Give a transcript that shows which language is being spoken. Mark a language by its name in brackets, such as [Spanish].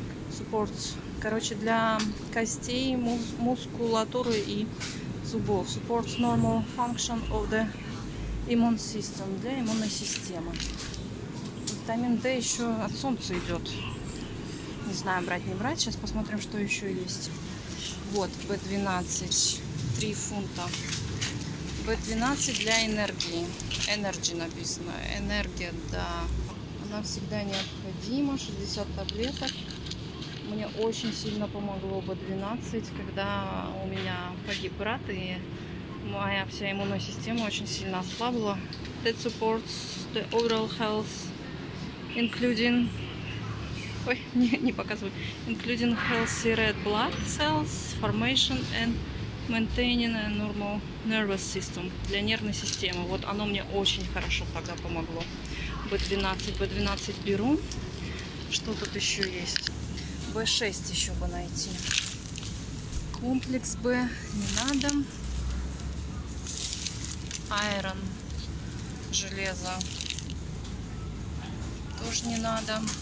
[English] Supports, [Russian] короче, для костей, мускулатуры и зубов. [English] Supports normal function of the immune system, [Russian] для иммунной системы. Витамин D еще от солнца идет. Не знаю, брать не брать. Сейчас посмотрим, что еще есть. Вот, B12, 3 фунта. B12 для энергии. Energy написано. Энергия, да. Она всегда необходима. 60 таблеток. Мне очень сильно помогло B12, когда у меня погиб брат, и моя вся иммунная система очень сильно ослабла. [English] That supports the overall health, including... [Russian] Ой, не показывай. [English] Including healthy red blood cells, formation and maintaining a normal nervous system. [Russian] Для нервной системы. Вот оно мне очень хорошо тогда помогло. B12. B12 беру. Что тут еще есть? B6 еще бы найти. Комплекс B не надо. Iron, железо, тоже не надо.